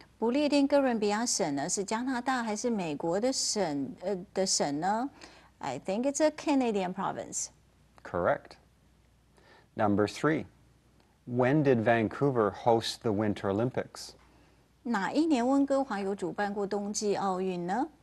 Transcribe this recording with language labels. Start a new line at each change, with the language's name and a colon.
Chinese: 不列颠哥伦比亚省呢,是加拿大还是美国的省呢?
English: I think it's a Canadian province. Correct. Number three, when did Vancouver host the Winter Olympics?
Chinese: 哪一年温哥华有主办过冬季奥运呢?